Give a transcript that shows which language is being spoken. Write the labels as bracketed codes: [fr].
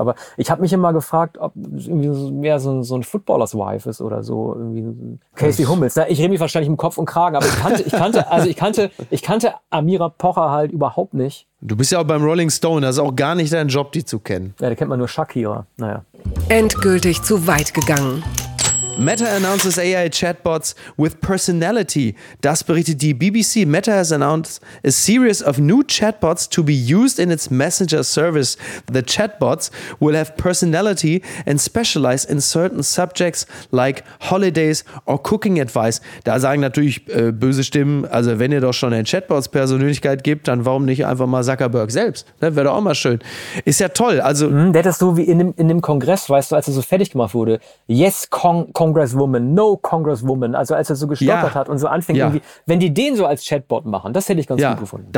[de] Aber ich habe mich immer gefragt, ob es irgendwie mehr so ein Footballer's Wife ist oder so. Irgendwie Casey Hummels. Na, ich rede mich wahrscheinlich im Kopf und Kragen, aber ich kannte Amira Pocher halt überhaupt nicht. Du bist ja auch beim Rolling Stone, das ist auch gar nicht dein Job, die zu kennen. Ja, da kennt man nur Shakira. Naja. Endgültig zu weit gegangen. [en] Meta announces AI chatbots with personality. [de] Das berichtet die BBC. [en] Meta has announced a series of new chatbots to be used in its messenger service. The chatbots will have personality and specialize in certain subjects like holidays or cooking advice. [de] Da sagen natürlich böse Stimmen, also wenn ihr doch schon einen Chatbots Persönlichkeit gibt, dann warum nicht einfach mal Zuckerberg selbst? Ne, wäre doch auch mal schön. Ist ja toll. Also der hat das so wie in dem Kongress, weißt du, als er so fertig gemacht wurde. [en] Yes, Congresswoman, no Congresswoman, [de] also als er so gestolpert hat und so anfängt, irgendwie, wenn die den so als Chatbot machen, das hätte ich ganz gut gefunden.